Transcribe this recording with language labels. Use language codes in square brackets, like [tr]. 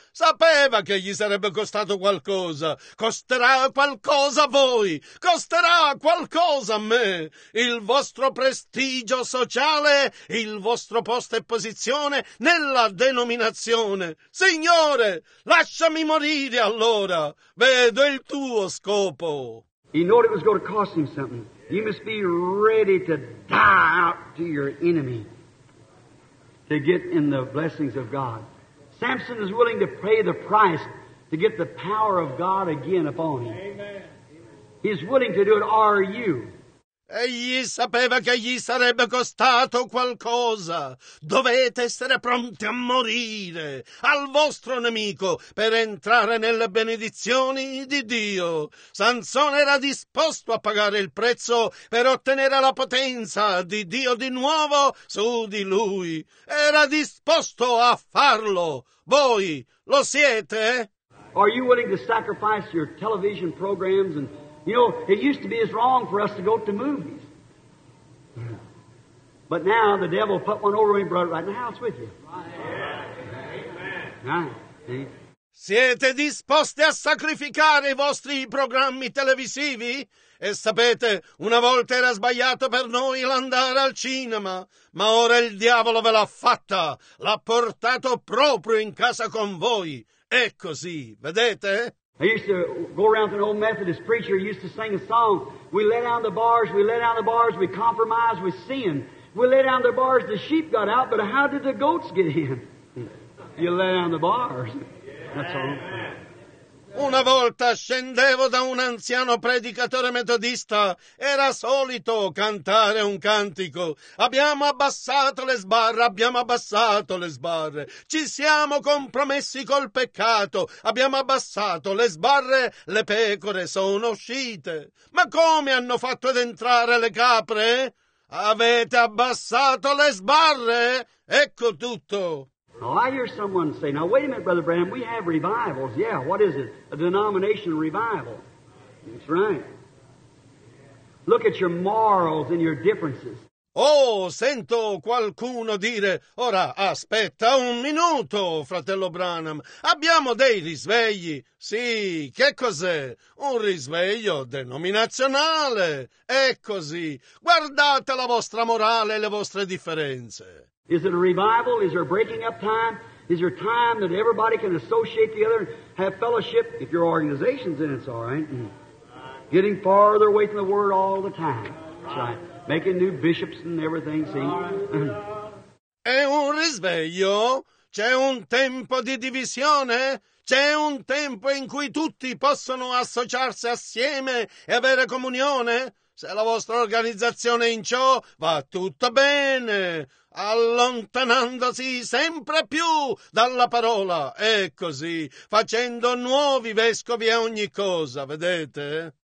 [it] Sapeva che gli sarebbe costato qualcosa. Costerà qualcosa a voi. Costerà qualcosa a me. Il vostro prestigio sociale, il vostro posto e posizione nella denominazione. Signore, lasciami morire allora. Vedo il tuo scopo. [en] He knew it was going to cost him something. You must be ready to die out to your enemy. To get in the blessings of God. Samson is willing to pay the price to get the power of God again upon him. Amen. He's willing to do it, are you? [it] Egli sapeva che gli sarebbe costato qualcosa. Dovete essere pronti a morire al vostro nemico per entrare nelle benedizioni di Dio. Sansone era disposto a pagare il prezzo per ottenere la potenza di Dio di nuovo su di lui. Era disposto a farlo. Voi lo siete? [en] Are you willing to sacrifice your television programs and... You know, it used to be as wrong for us to go to movies. But now the devil put one over me and brought it right in the house with you. Amen. Right. See? [it] Siete disposti a sacrificare i vostri programmi televisivi? E sapete, una volta era sbagliato per noi l'andare al cinema, ma ora il diavolo ve l'ha fatta, l'ha portato proprio in casa con voi. È così, vedete? [en] I used to go around to an old Methodist preacher, used to sing a song. We let down the bars, we let down the bars, we compromise with sin. We let down the bars, the sheep got out, but how did the goats get in? You let down the bars. That's all. [it] Una volta scendevo da un anziano predicatore metodista, era solito cantare un cantico. Abbiamo abbassato le sbarre, abbiamo abbassato le sbarre. Ci siamo compromessi col peccato, abbiamo abbassato le sbarre, le pecore sono uscite. Ma come hanno fatto ad entrare le capre? Avete abbassato le sbarre? Ecco tutto. [en] Now, I hear someone say, now, wait a minute, Brother Branham, we have revivals. Yeah, what is it? A denomination revival. That's right. Look at your morals and your differences. [it] Oh, sento qualcuno dire, ora, aspetta un minuto, fratello Branham. Abbiamo dei risvegli. Sì, che cos'è? Un risveglio denominazionale. È così. Guardate la vostra morale e le vostre differenze. [en] Is it a revival? Is there a breaking up time? Is there time that everybody can associate together and have fellowship? If your organization's in, it's all right. Mm. Getting farther away from the Word all the time. That's right. Making new bishops and everything, see? [it] È un risveglio? C'è un tempo di divisione? C'è un tempo in cui tutti possono associarsi assieme e avere comunione? Se la vostra organizzazione è in ciò, va tutto bene. Allontanandosi sempre più dalla parola, è così, facendo nuovi vescovi a ogni cosa, vedete?